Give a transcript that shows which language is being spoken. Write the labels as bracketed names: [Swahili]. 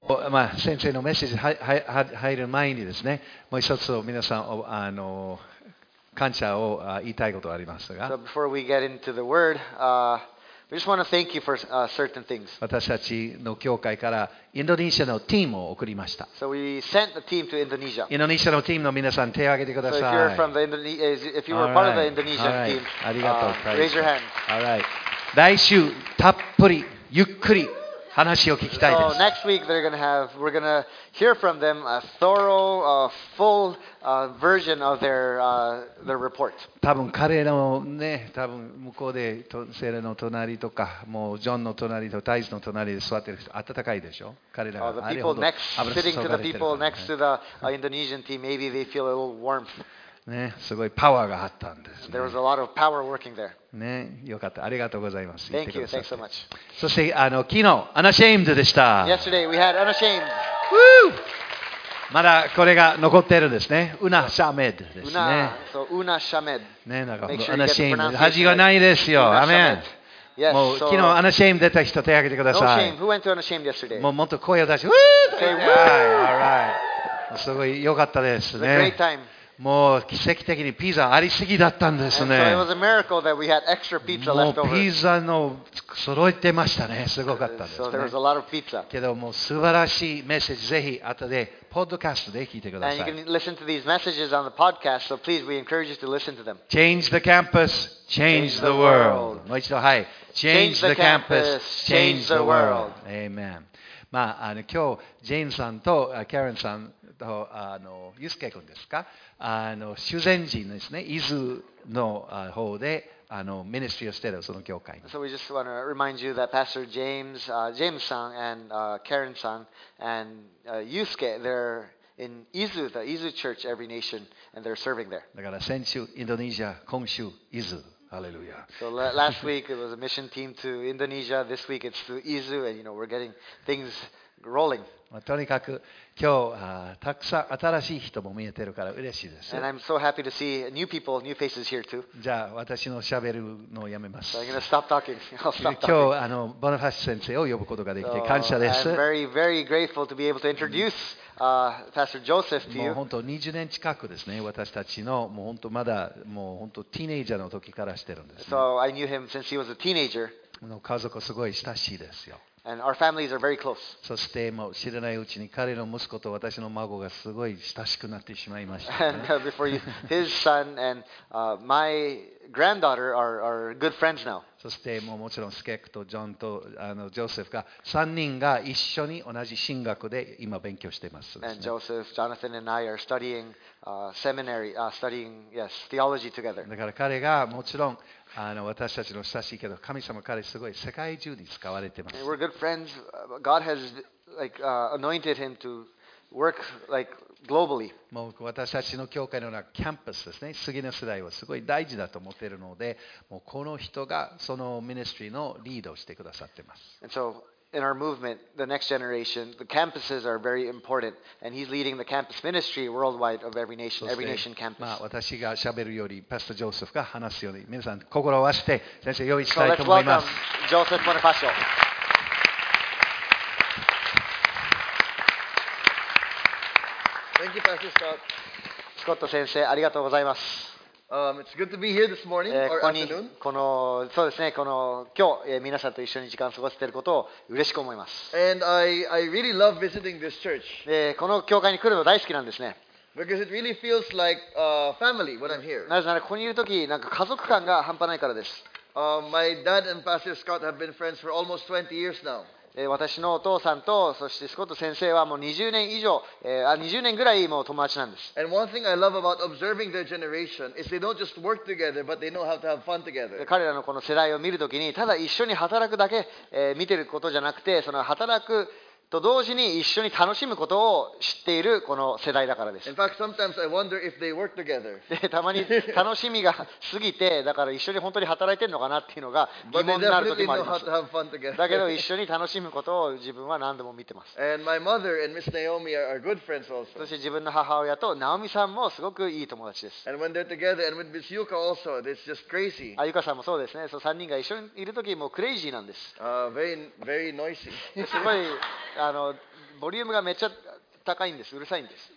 [Japanese] まあ、先生のメッセージ入る前にですね、もう一つ皆さん感謝を言いたいことがありますが、私たちの教会からインドネシアのチームを送りました。 [English] So、we sent the team to Indonesia. [Japanese] インドネシアのチームの皆さん手を挙げてください。 [English] So、if you're from the Indonesia, if you were part of the Indonesian team, [Japanese] ありがとう。 [English] Raise your hand. All right. [Japanese] 来週たっぷりゆっくり話を聞きたいです。 [English] So、next week they're gonna have, we're gonna hear from them a thorough, full, version of their report. [Japanese] 多分彼らもね、多分向こうでセレの隣とか、もうジョンの隣とタイズの隣で座ってる人、暖かいでしょ？彼らが。 [English] The people next, sitting to the people next to the Indonesian team, maybe they feel a little warmth. [Japanese] ね、すごいパワーがあったんです、ね。 [English] There was a lot of power working there. [Japanese] ね、よかった、ありがとうございます。 [English] Thank you, thanks so much. [Japanese] そして昨日、Unashamed でした。 [English] Yesterday we had Unashamed. Woo! [Japanese] まだこれが残っているんですね。 Unashamed ですね。 [English] So Unashamed. [Japanese] ね、なんか Unashamed。恥がないですよ。アメン。 [English] Yes, [Japanese] もう、 [English] so, [Japanese] 昨日、Unashamed 出た人、手を挙げてください。 [English] No shame. Who went to Unashamed yesterday? [Japanese] もうもっと声を出して、 Woo! [English] Okay, woo! All right. [Japanese] すごい良かったですね。 [English] It was a great time. [Japanese] もう奇跡的にピザありすぎだったんですね。 [English] So、it was a miracle that we had extra pizza left over. [Japanese] もうピザの揃えてましたね。すごかったですね。 [English] So、there was a lot of pizza. [Japanese] けどもう素晴らしいメッセージぜひ後でポッドキャストで聞いてください。 [English] And you can listen to these messages on the podcast. So please, we encourage you to listen to them. Change the campus, change the world. [Japanese] もう一度はい。 [English] Change the campus, change the world. Amen. [Japanese] まあ今日ジェーンさんとカレンさんとユスケ君ですか。修善寺のですね、伊豆の方でミニストリーをしているその教会。 [English] So we just want to remind you that Pastor James, James さん and Karen さん and Yusuke, they're in Izu, the Izu Church Every Nation, and they're serving there. [Japanese] だから先週インドネシア、今週伊豆、ハレルヤ。 [English] So last week it was a mission team to Indonesia. This week it's to Izu, and you know we're getting things rolling. [Japanese] とにかく今日たくさん新しい人も見えてるから嬉しいです。 [English] And I'm so happy to see new people, new faces here too. [Japanese] じゃあ私の喋るのをやめます。 [English] So、I'm gonna stop talking. I'll stop talking. [Japanese] 今日ボナファシ先生を呼ぶことができて感謝です。 [English] So, I'm very, very grateful to be able to introduce、Pastor Joseph to you. [Japanese] もう本当20年近くですね、私たちのもう本当まだもう本当ティーネイジャーの時からしてるんです、ね。 [English] So I knew him since he was a teenager. [Japanese] の家族すごい親しいですよ。 [English] And our families are very close. [Japanese] そしてもう知らないうちに彼の息子と私の孫がすごい親しくなってしまいました、ね。 [English] And before you, his son and my granddaughter are good friends now. [Japanese] そしてもうもちろんスケックとジョンとジョセフが3人が一緒に同じ神学で今勉強しています、ね。 [English] And Joseph, Jonathan and I are studying seminary, studying yes, theology together. [Japanese] だから彼がもちろん私たちの親しいけど神様彼すごい世界中に使われています。 [English] We're good friends. God has like, anointed him to work like, globally. [Japanese] もう私たちの教会のようなキャンパスですね、次の世代はすごい大事だと思っているので、もうこの人がそのミニストリーのリードをしてくださっています。 [English] And so in our movement, the next generation, the campuses are very important, and he's leading the campus ministry worldwide of every nation, every nation campus. [Japanese] まあ私が喋るよりパスタジョセフが話すように皆さん心を合わせて先生用意したいと思います。 [English] So let's welcome Joseph Bonifacio. Thank you, Pastor Scott. [Japanese] Scott 先生ありがとうございます。 [English] It's good to be here this morning or afternoon. [Japanese] このそうですね、この今日皆さんと一緒に時間を過ごせていることを嬉しく思います。 [English] And I really love visiting this church. [Japanese] この教会に来るの大好きなんですね。 [English] Because it really feels like family when I'm here. [Japanese] なぜならここにいるとき、なんか家族感が半端ないからです。 [English] My dad and Pastor Scott have been friends for almost 20 years now. [Japanese] 私のお父さんとそしてスコット先生はもう20年以上、20年ぐらいもう友達なんです。 [English] And one thing I love about observing their generation is they don't just work together but they know how to have fun together. [Japanese] 彼らのこの世代を見るときにただ一緒に働くだけ、見てることじゃなくてその働くと同時に一緒に楽しむことを知っているこの世代だからです。 [English] In fact, sometimes I wonder if they work together. [Japanese] で、たまに楽しみが過ぎて、だから一緒に本当に働いてるのかなっていうのが疑問になる時もあります。 [English] But they definitely know how to have fun together. [Japanese] だけど一緒に楽しむことを自分は何度も見てます。 [English] And my mother and Miss Naomi are good friends also. [Japanese] そして自分の母親とナオミさんもすごくいい友達です。 [English] And when they're together and with Miss Yuka also, it's just crazy. [Japanese] あ、ゆかさんもそうですね。そう、3人が一緒にいる時もクレイジーなんです。 [English] Very, very noisy. [Japanese] すごい。あのボリュームがめっちゃ高いんです。うるさいんです。